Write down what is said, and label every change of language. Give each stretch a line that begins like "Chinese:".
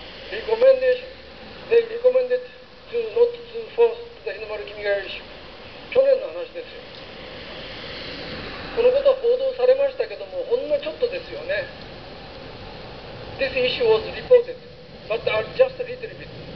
English: Recommendation: They recommended to not to force the Hinomaru Kimigaya issue。
Japanese: 去年の話ですよ。このことは報道されましたけども、ほんのちょっとですよね。
English: This issue was reported, but just a little bit.